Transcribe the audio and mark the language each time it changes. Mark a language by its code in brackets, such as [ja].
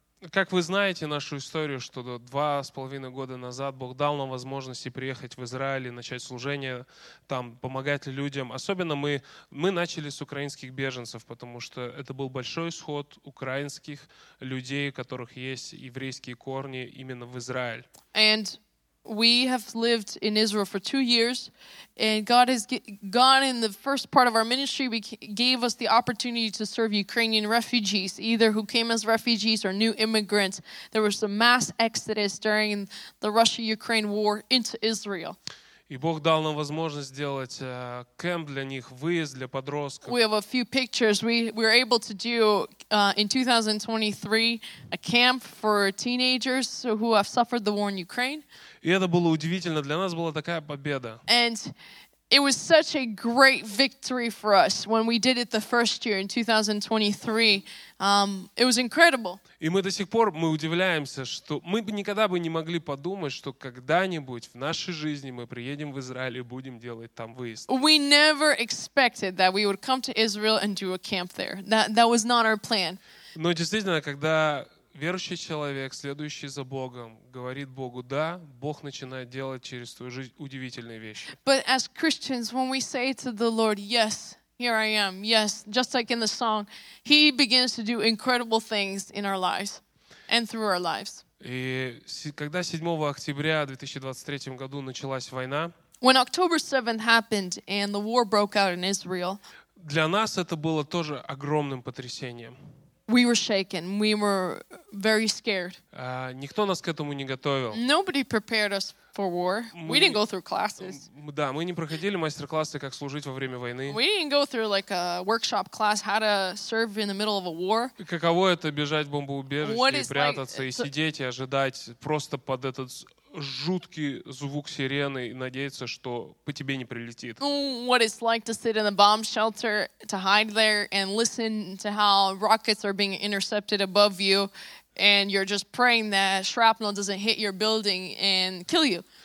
[ru] Как вы знаете нашу историю, что 2.5 года назад Бог дал нам возможность приехать в Израиль и начать служение там, помогать людям. Особенно мы начали с украинских беженцев, потому что это был большой исход украинских людей, у которых есть еврейские корни именно в Израиль. [en] And we have lived in Israel for 2 years, and God has gone in the first part of our ministry. We gave us the opportunity to serve Ukrainian refugees, either who came as refugees or new immigrants. There was a mass exodus during the Russia-Ukraine war into Israel. [ru] И Бог дал нам возможность сделать кемп для них, выезд для подростков. [en] We have a few pictures. We were able to do in 2023 a camp for teenagers who have suffered the war in Ukraine. [ru] И это было удивительно. Для нас была такая победа. [en] And it was such a great victory for us when we did it the first year in 2023. It was incredible. [ru] И мы до сих пор мы удивляемся, что мы бы никогда бы не могли подумать, что когда-нибудь в нашей жизни мы приедем в Израиль и будем делать там выезд. [en] We never expected that we would come to Israel and do a camp there. That was not our plan. [ru] Но действительно, когда верующий человек, следующий за Богом, говорит Богу «да», Бог начинает делать через твою жизнь удивительные вещи. [en] But as Christians, when we say to the Lord, yes, here I am, yes, just like in the song, He begins to do incredible things in our lives and through our lives. [ru] И когда 7 октября 2023 году началась война, [en] when October 7th happened and the war broke out in Israel, [ru] для нас это было тоже огромным потрясением. [en] We were shaken. We were very scared. [ru] Никто нас к этому не готовил. [en] Nobody prepared us for war. We didn't go through classes. [ru] Да, мы не проходили мастер-классы, как служить во время войны. [en] We didn't go through like a workshop class, how to serve in the middle of a war. [ru] Каково это бежать в бомбоубежище и прятаться, и сидеть, и ожидать просто под этот жуткий звук сирены и надеяться, что по тебе не прилетит. [en] What it's like to sit in a bomb shelter, to hide there and listen to how rockets are being intercepted above you, and you're just praying that shrapnel doesn't hit your building and kill you.